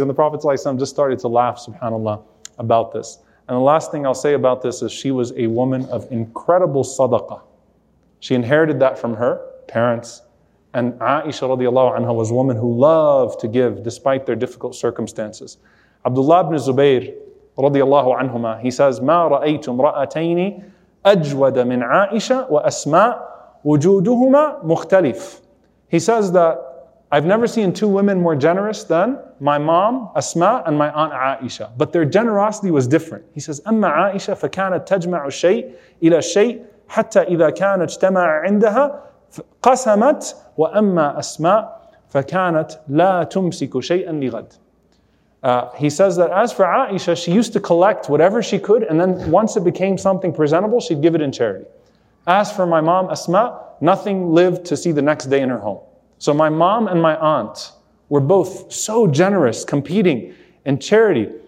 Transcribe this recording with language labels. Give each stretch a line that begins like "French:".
English: And the Prophet ﷺ just started to laugh, subhanAllah, about this. And the last thing I'll say about this is she was a woman of incredible sadaqah. She inherited that from her parents. And Aisha radiallahu anha was a woman who loved to give despite their difficult circumstances.
Arabic: Abdullah ibn Zubayr, radiallahu anhuma,
English: he says,
Arabic: ما رأيت امرأتين أجود من عائشة وأسماء وجودهما مختلف.
English: He says that I've never seen two women more generous than my mom, Asma, and my aunt Aisha. But their generosity was different. He says,
Arabic: أما عائشة فكانت تجمع شيء إلى شيء حتى إذا كان اجتمع عندها قسمت وأما أسماء فكانت لا تمسك شيئا لغد.
English: He says that as for Aisha, she used to collect whatever she could, and then once it became something presentable, she'd give it in charity. As for my mom, Asma, nothing lived to see the next day in her home. So my mom and my aunt were both so generous, competing in charity.